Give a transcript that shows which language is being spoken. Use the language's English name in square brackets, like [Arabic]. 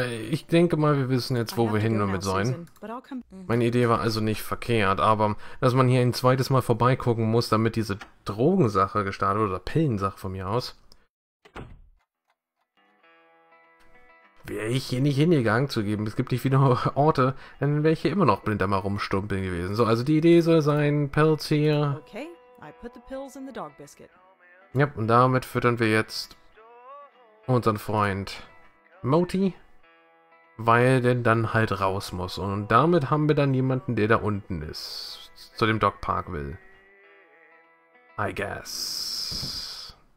[German] Ich denke mal, wir wissen jetzt, wo wir hin damit sollen. Meine Idee war also nicht verkehrt, aber dass man hier ein zweites Mal vorbeigucken muss, damit diese Drogensache gestartet oder Pillensache von mir aus, wäre ich hier nicht hingegangen zu geben. Es gibt nicht wieder Orte, dann wäre ich hier immer noch blind am Rumstumpeln gewesen. So, also die Idee soll sein, Pills hier. [English] Okay, I put the pills in the dog biscuit. [German] Ja, und damit füttern wir jetzt unseren Freund Moti, weil der dann halt raus muss. Und damit haben wir dann jemanden, der da unten ist, zu dem Dog Park will. [English] I guess.